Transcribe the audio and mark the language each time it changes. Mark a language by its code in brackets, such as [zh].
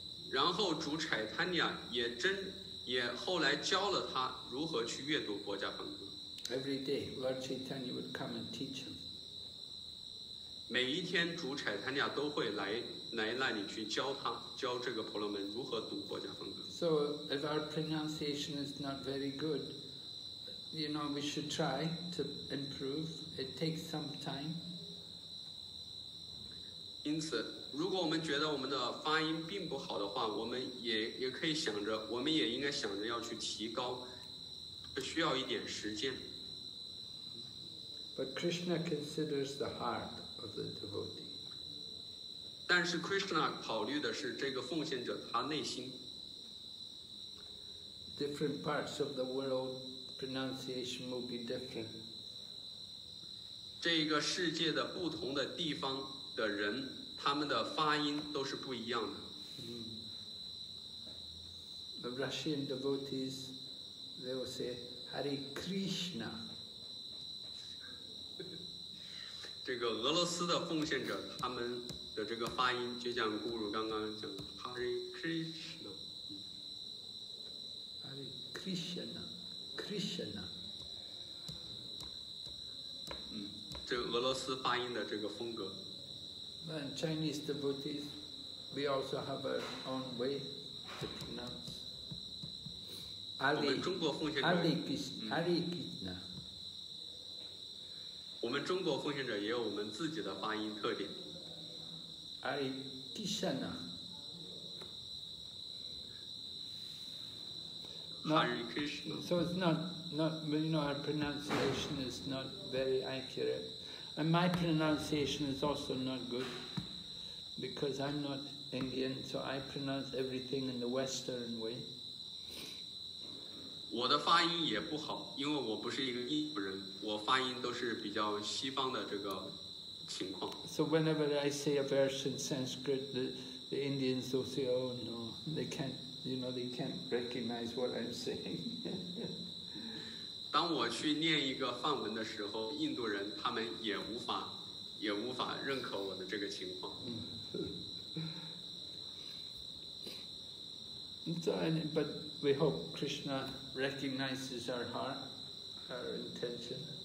[zh] 然后主柴坦尼亚也后来教了他如何去阅读《薄伽梵歌》。 [en] Every day, Lord Chaitanya would come and teach him. [zh] 每一天主柴坦尼亚都会来那里去教他教这个婆罗门如何读薄伽梵歌。 [en] So if our pronunciation is not very good, you know, we should try to improve. It takes some time. [zh] 因此如果我们觉得我们的发音并不好的话，我们也可以想着，我们也应该想着要去提高，需要一点时间。 [en] But Krishna considers the heart. Of the devotee. [zh] 但是 Krishna 考虑的是这个奉献者他内心。 [en] Different parts of the world pronunciation will be different. [zh] 这个世界的不同的地方的人，他们的发音都是不一样的。 [en] The Russian devotees, they will say Hare Krishna. [zh] 这个俄罗斯的奉献者，他们的这个发音就像咕噜刚刚讲的 Hare Krishna， [sa] Hare Krishna， Krishna。 [zh] 这俄罗斯发音的这个风格。 [en] And Chinese devotees, we also have our own way to pronounce. [zh] 我们中国奉献者 [sa] Hare Krishna。 [zh] 我们中国奉献者也有我们自己的发音特点。 [sa] Hare Krishna。 Hare Krishna。 [en] So it's not, you know, our pronunciation is not very accurate. And my pronunciation is also not good. Because I'm not Indian, so I pronounce everything in the Western way. [zh] 我的发音也不好，因为我不是一个英国人，我发音都是比较西方的这个情况。 [en] So whenever I say a verse in Sanskrit, the Indians will say, "Oh no, they can't, you know, they can't recognize what I'm saying." [zh] 当我去念一个梵文的时候，印度人他们也无法认可我的这个情况。 [en] But we hope Krishna recognizes our heart, our intention.